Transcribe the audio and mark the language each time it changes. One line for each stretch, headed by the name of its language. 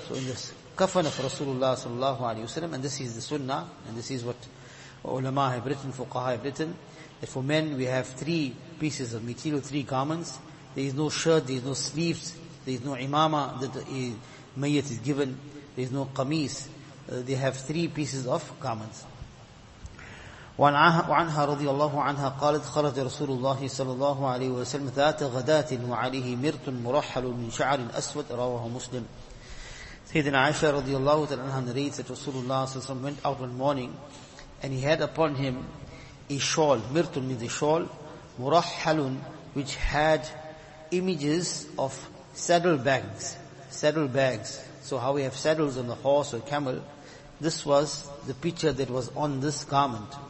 English: So in this kafan of Rasulullah sallallahu alayhi wa sallam, and this is the sunnah, and this is what ulama have written, fuqaha have written, that for men we have three pieces of material, three garments. There is no shirt, there is no sleeves, there is no imama that the mayyat is given, there is no qamis. They have three pieces of garments.
Arabic: وعنها رضي الله عنها قالت خرج رسول الله صلى الله عليه وسلم ذات غداة وعليه مرت مرحل من شعر أسود. رواه مسلم. سيدنا عائشة رضي الله عنها
English: narrates that
Arabic: رسول الله صلى الله عليه وسلم
English: went out one morning and he had upon him a shawl, مرت means a shawl, مرحل which had images of saddle bags. So how we have saddles on the horse or camel, this was the picture that was on this garment.